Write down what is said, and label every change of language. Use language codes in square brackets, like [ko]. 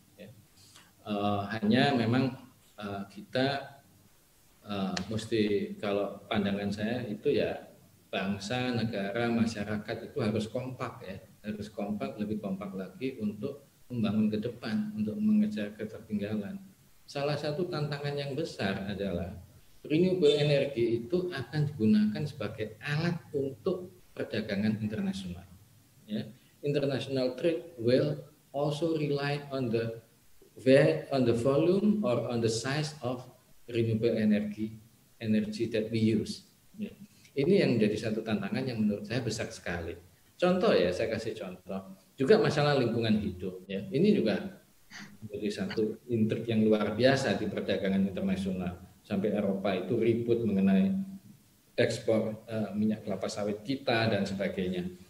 [id] Ya. Hanya memang kita mesti kalau pandangan saya itu ya bangsa, negara, masyarakat itu harus kompak ya. Harus kompak, lebih kompak lagi untuk membangun ke depan, untuk mengejar ketertinggalan. Salah satu tantangan yang besar adalah renewable energy itu akan digunakan sebagai alat untuk perdagangan internasional. Ya. [en] International trade will also rely on the volume or on the size of renewable energy that we use. [id] Ya. Ini yang jadi satu tantangan yang menurut saya besar sekali. Contoh ya, saya kasih contoh. Juga masalah lingkungan hidup. Ya. Ini juga menjadi satu intrik yang luar biasa di perdagangan internasional. Sampai Eropa itu ribut mengenai ekspor minyak kelapa sawit kita dan sebagainya.